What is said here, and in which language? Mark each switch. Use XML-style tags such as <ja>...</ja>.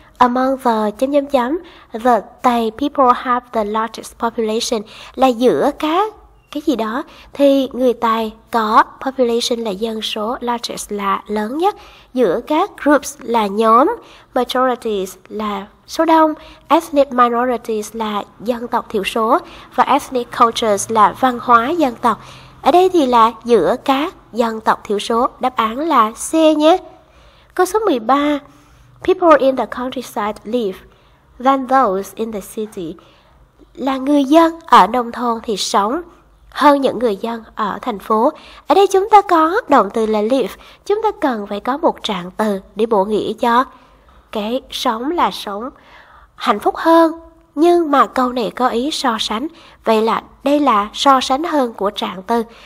<en>Among the the Thai people have the largest population</en> <vi>là giữa các cái gì đó thì người Tài có population là dân số, largest là lớn nhất, giữa các groups là nhóm, majorities là số đông, ethnic minorities là dân tộc thiểu số và ethnic cultures là văn hóa dân tộc. Ở đây thì là giữa các dân tộc thiểu số, đáp án là C nhé. Câu số 13.</vi> <en>People in the countryside live than those in the city.</en> <vi>Là người dân ở nông thôn thì sống hơn những người dân ở thành phố. Ở đây chúng ta có động từ là live. Chúng ta cần phải có một trạng từ để bổ nghĩa cho cái sống là sống hạnh phúc hơn. Nhưng mà câu này có ý so sánh. Vậy là đây là so sánh hơn của trạng từ.</vi>